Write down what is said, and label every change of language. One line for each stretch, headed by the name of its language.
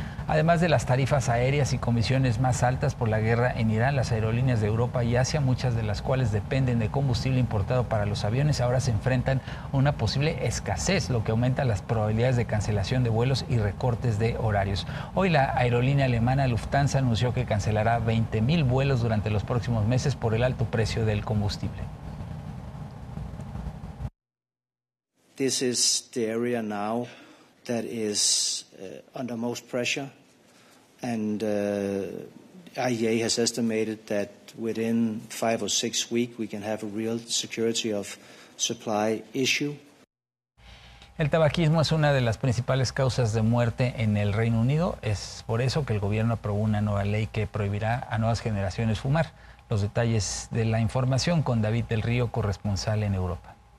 Spanish: Además de las tarifas aéreas y comisiones más altas por la guerra en Irán, las aerolíneas de Europa y Asia, muchas de las cuales dependen de combustible importado para los aviones, ahora se enfrentan a una posible escasez, lo que aumenta las probabilidades de cancelación de vuelos y recortes de horarios. Hoy la aerolínea alemana Lufthansa anunció que cancelará 20.000 vuelos durante los próximos meses por el alto precio del combustible.
English: This is the area now that is under most pressure, and IEA has estimated that within 5 or 6 weeks we can have a real security of supply issue.
Spanish: El tabaquismo es una de las principales causas de muerte en el Reino Unido. Es por eso que el gobierno aprobó una nueva ley que prohibirá a nuevas generaciones fumar. Los detalles de la información con David del Río, corresponsal en Europa.